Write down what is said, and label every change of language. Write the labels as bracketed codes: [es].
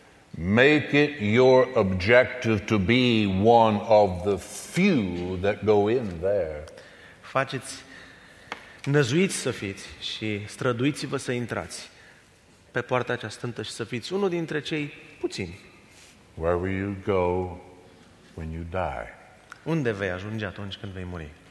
[en] Make it your objective to be one of the few that go in there. [ro] Faceți, năzuiți să fiți și străduiți-vă să intrați pe poarta cea stântă și să fiți unul dintre cei puțini. [en] Where will you go when you die? [ro] Unde vei ajunge atunci când vei muri?